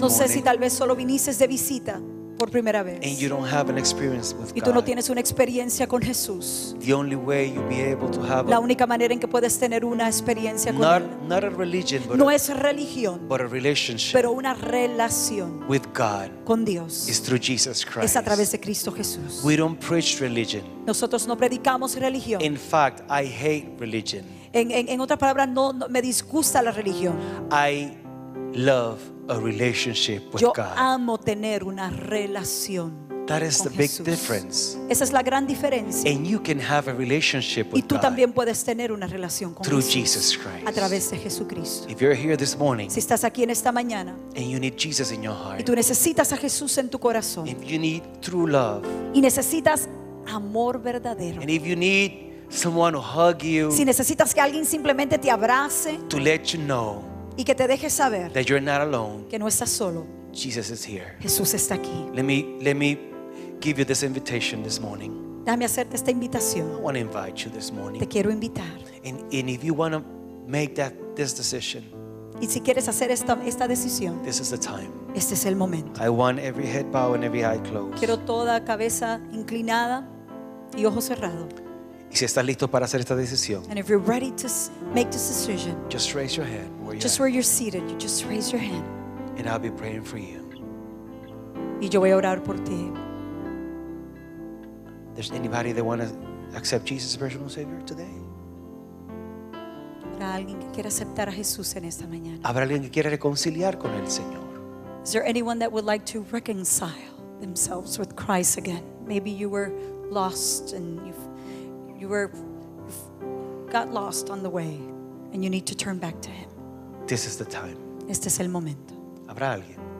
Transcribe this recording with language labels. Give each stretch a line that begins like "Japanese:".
English: morning.
Spanish: No sé si tal vez solo viniste de visita por primera vez.
English: And you don't have an experience with
Spanish: y tú no
English: God.
Spanish: Tienes una experiencia con Jesús.
English: The only way you'll be able to have
Spanish: la única manera en que puedes tener una experiencia con
English: not,
Spanish: Él.
English: Not a religion, but
Spanish: no
English: a,
Spanish: es religión,
English: but a relationship
Spanish: pero una relación
English: with God
Spanish: con Dios
English: is through Jesus Christ.
Spanish: Es a través de Cristo Jesús.
English: We don't preach religion.
Spanish: Nosotros no predicamos religión.
English: In fact, I hate religion.
Spanish: En otras palabras, no me disgusta la religión.
English: I love a relationship with
Spanish: yo
English: God.
Spanish: Amo tener una relación.
English: That is
Spanish: con
English: the
Spanish: Jesús.
English: Big difference.
Spanish: Esa es la gran diferencia.
English: And you can have a relationship with
Spanish: y tú
English: God
Spanish: también puedes tener una relación con
English: through
Spanish: Jesús.
English: Jesus Christ.
Spanish: A través de Jesucristo.
English: If you're here this morning,
Spanish: si estás aquí en esta mañana,
English: and you need Jesus in your heart,
Spanish: y tú necesitas a Jesús en tu corazón,
English: if you need true love,
Spanish: y necesitas amor verdadero,
English: and if you need someone to hug you,
Spanish: si necesitas que alguien simplemente te abrace,
English: to let you know.
Spanish: Y que te deje saber
English: that you're not alone.
Spanish: Que no estás solo.
English: Jesus is here.
Spanish: Jesús está aquí.
English: Let me give you this invitation this morning.
Spanish: Dame hacerte esta invitación.
English: I want to invite you this morning.
Spanish: Te quiero invitar.
English: And if you want to make this decision,
Spanish: y si quieres hacer esta decisión,
English: this is the time.
Spanish: Este es el momento.
English: I want every head bowed and every eye closed.
Spanish: Quiero toda cabeza inclinada y ojo cerrado. Y si estás listo para hacer esta decisión,
English: and if you're ready to make this decision, just raise your hand. Just where you're seated, you just raise your hand. And I'll be praying for you.
Spanish: Y yo voy a orar por ti.
English: There's anybody that wants to accept Jesus as personal Savior today?
Spanish: ¿Habrá alguien que quiera aceptar a Jesús en esta mañana? ¿Habrá alguien que quiera reconciliar con el Señor?
English: Is there anyone that would like to reconcile themselves with Christ again? Maybe you were lost and you got lost on the way and you need to turn back to Him. This is the time.
Spanish: Este es el momento. ¿Habrá alguien?